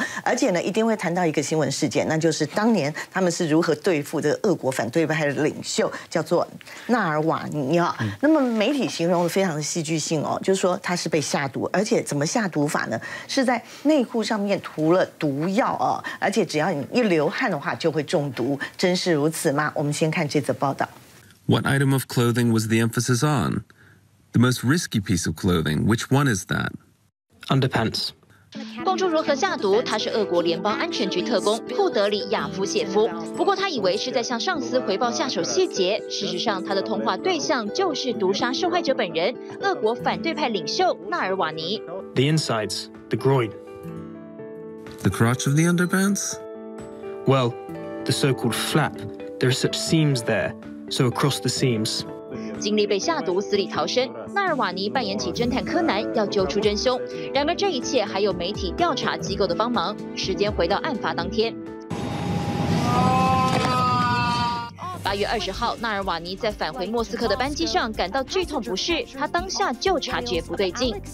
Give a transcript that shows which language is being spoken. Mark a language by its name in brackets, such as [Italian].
[Chinese] 而且呢，一定会谈到一个新闻事件，那就是当年他们是如何对付这个俄国反对派的领袖，叫做纳尔瓦尼。那么媒体形容的非常的戏剧性哦，就是说他是被下毒，而且怎么下毒法呢？是在内裤上面涂了毒药哦，而且只要你一流汗的话就会中毒，真是如此吗？我们先看这则报道。 [English] What item of clothing was the emphasis on? The most risky piece of clothing, which one is that? Underpants. [Chinese] 供出如何下毒，他是俄国联邦安全局特工库德里亚夫谢夫。不过他以为是在向上司回报下手细节，事实上他的通话对象就是毒杀受害者本人，俄国反对派领袖纳尔瓦尼。 [English] The insides, the groin. The crotch of the underpants? Well, the so-called flap. There are such seams there, so across the seams. [Chinese] 经历被下毒死里逃生，纳尔瓦尼扮演起侦探柯南，要揪出真凶。然而这一切还有媒体调查机构的帮忙。时间回到案发当天，8月20号，纳尔瓦尼在返回莫斯科的班机上感到剧痛不适，他当下就察觉不对劲。